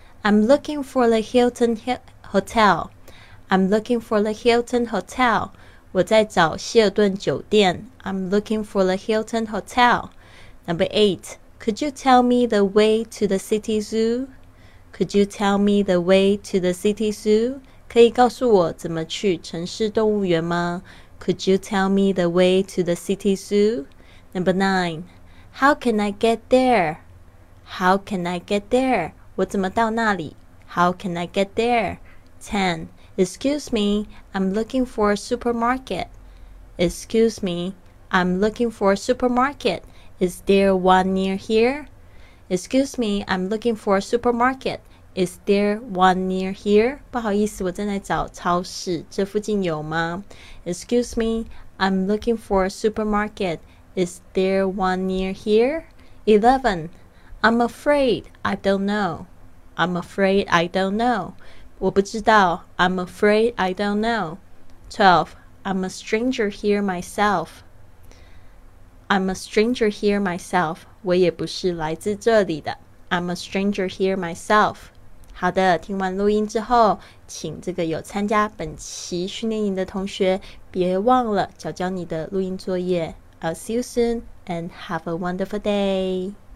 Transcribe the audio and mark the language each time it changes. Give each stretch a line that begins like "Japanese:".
English: I'm looking for the Hilton Hotel. I'm looking for the Hilton Hotel.
Chinese: 我在找希尔顿酒店。
English: I'm looking for the Hilton Hotel. Number 8. Could you tell me the way to the city zoo? Could you tell me the way to the city zoo?
Chinese: 可以告诉我怎么去城市动物园吗?
English: Could you tell me the way to the city zoo? Number 9. How can I get there? How can I get there?
Chinese: 我怎么到那里?
English: How can I get there? 10. Excuse me, I'm looking for a supermarket. Excuse me, I'm looking for a supermarket. Is there one near here? Excuse me, I'm looking for a supermarket. Is there one near here?
Chinese: 不好意思，我正在找超市，这附近有吗?
English: Excuse me, I'm looking for a supermarket. Is there one near here? 11. I'm afraid I don't know. I'm afraid I don't know.
Chinese: 我不知道。
English: I'm afraid I don't know. 12. I'm a stranger here myself. I'm a stranger here myself.
Chinese: 我也不是来自这里的。
English: I'm a stranger here myself.
Chinese: 好的，听完录音之后，请这个有参加本期训练营的同学别忘了交交你的录音作业。
English: I'll see you soon and have a wonderful day.